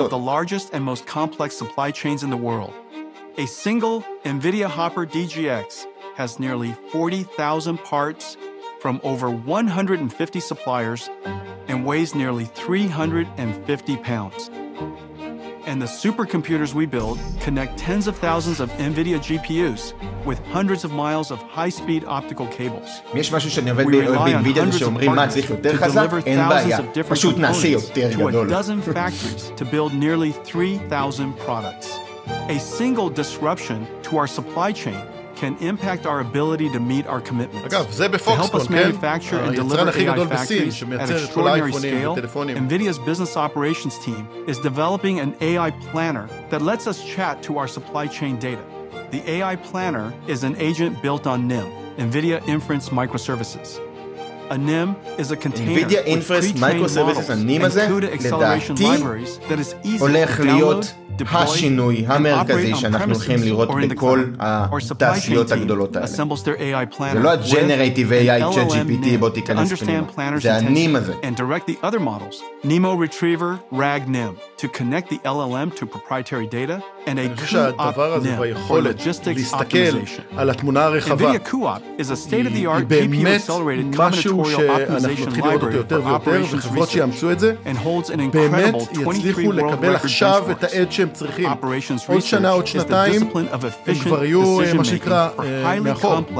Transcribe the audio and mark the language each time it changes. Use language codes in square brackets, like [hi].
[en] NVIDIA operates one of the largest and most complex supply chains in the world. A single NVIDIA Hopper DGX has nearly 40,000 parts from over 150 suppliers and weighs nearly 350 pounds. and the supercomputers we build connect tens of thousands of NVIDIA GPUs with hundreds of miles of high-speed optical cables. [he] יש משהו שאני עובד ב-NVIDIA שאומרים מה צריך יותר חזק? אין בעיה. פשוט נעשה יותר גדול. [en] To a dozen factories to build nearly 3,000 products. A single disruption to our supply chain can impact our ability to meet our commitments. [he] אגב, זה בפוקסקון, כן? [en] To help us manufacture and deliver AI factories at extraordinary scale, NVIDIA's business operations team is developing an AI planner that lets us chat to our supply chain data. The AI planner is an agent built on NIM, NVIDIA Inference Microservices. A NIM is a container [he] NVIDIA Inference Microservices, NIM הזה, לדעתי, הולך להיות השינוי המרכזי שאנחנו הולכים לראות בכל התעשיות הגדולות האלה. זה לא הג'נרטיב AI ChatGPT, בוא תיכנס פנימה. זה הנים הזה. [en] And direct the other models, NIMO Retriever RAG NIM, to connect the LLM to proprietary data, and a QOP NIM for logistics optimization. NVIDIA QOP is a state-of-the-art GPU-accelerated combinatorial optimization library for operations research, and holds an incredible 23 world-record benchmarks. [he] שהם צריכים. Operations עוד שנה, עוד שנתיים, הם כבר יהיו, מה שנקרא, מאחור.